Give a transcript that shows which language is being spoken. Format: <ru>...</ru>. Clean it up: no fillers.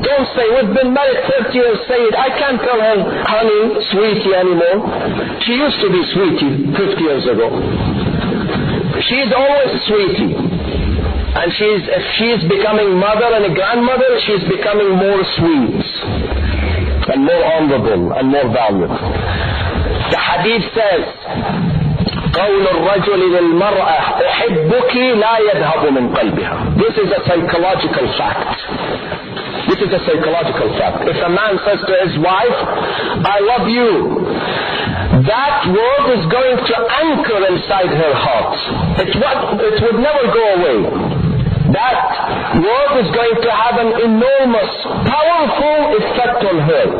<en>Don't say, we've been married 30 years, say it. I can't tell her, honey, sweetie anymore. She used to be sweetie 50 years ago. She is always sweetie. And if she's becoming mother and a grandmother, she's becoming more sweet and more honorable and more valuable. The hadith says,</en> <ar>قول الرجل للمرأة أحبك لا يذهب من قلبها.</ar> <en>This is a psychological fact. This is a psychological fact. If a man says to his wife, I love you, that word is going to anchor inside her heart. It would never go away. That word is going to have an enormous, powerful effect on her.</en>